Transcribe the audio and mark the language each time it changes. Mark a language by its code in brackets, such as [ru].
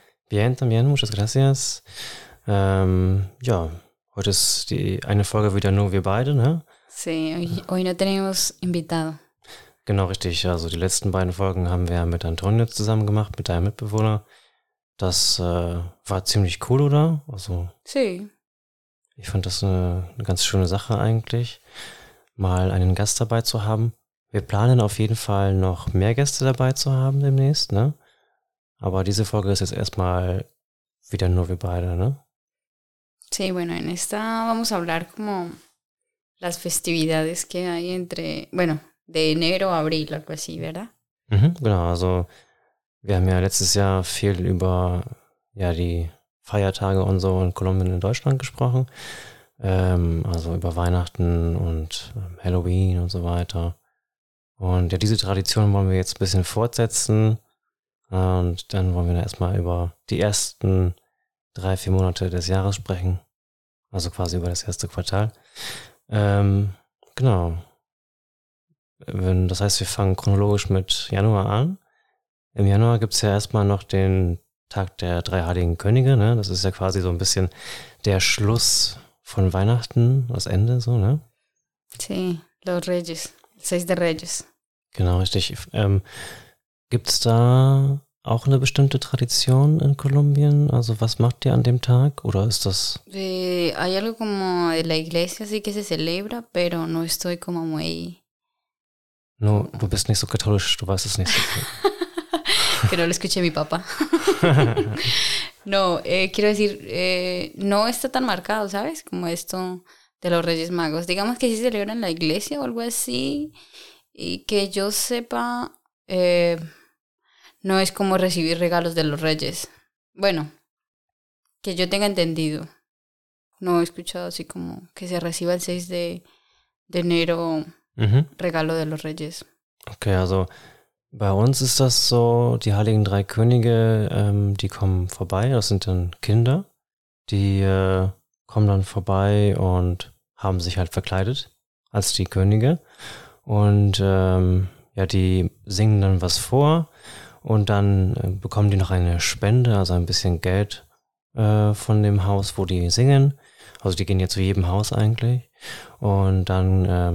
[es] Bien, también, muchas gracias. [de] Ja, heute ist die eine Folge wieder nur wir beide, ne? [es] Sí, hoy no tenemos invitado. [de] Genau, richtig. Also die letzten beiden Folgen haben wir mit Antonio zusammen gemacht, mit deinem Mitbewohner. Das war ziemlich cool, oder? Also, [es] sí. [de] Ich fand das eine ganz schöne Sache eigentlich, mal einen Gast dabei zu haben. Wir planen auf jeden Fall noch mehr Gäste dabei zu haben demnächst, ne? Aber diese Folge ist jetzt erstmal wieder nur wir beide, ne? [es] Sí, bueno, en esta vamos a hablar como las festividades que hay entre, bueno, de enero a abril, algo así, ¿verdad? [de] Mhm, genau, also wir haben ja letztes Jahr viel über ja, die Feiertage und so in Kolumbien in Deutschland gesprochen. Also über Weihnachten und Halloween und so weiter. Und ja, diese Tradition wollen wir jetzt ein bisschen fortsetzen. Und dann wollen wir da erstmal über die ersten 3-4 Monate des Jahres sprechen. Also quasi über das erste Quartal. Genau. Das heißt, wir fangen chronologisch mit Januar an. Im Januar gibt es ja erstmal noch den Tag der drei heiligen Könige, ne? Das ist ja quasi so ein bisschen der Schluss von Weihnachten, das Ende, so, ne? [es] Sí, los Reyes. Seis de Reyes. [de] Genau, richtig. Gibt es da auch eine bestimmte Tradition in Kolumbien? Also was macht ihr an dem Tag? Oder ist das... [es] Hay algo como de la iglesia, sí que se celebra, pero no estoy como muy... [de] No, du bist nicht so katholisch, du weißt es nicht so viel. [es] Que no lo escuché mi papá. No, quiero decir, no está tan marcado, ¿sabes? Como esto de los Reyes Magos. Digamos que sí se celebra en la iglesia o algo así. Y que yo sepa, no es como recibir regalos de los Reyes. Bueno, que yo tenga entendido. No he escuchado así como que se reciba el 6 de enero regalo de los Reyes. [de] Okay, also... Bei uns ist das so, die Heiligen Drei Könige, die kommen vorbei, das sind dann Kinder, die kommen dann vorbei und haben sich halt verkleidet als die Könige und ja, die singen dann was vor und dann bekommen die noch eine Spende, also ein bisschen Geld von dem Haus, wo die singen, also die gehen ja zu jedem Haus eigentlich und dann...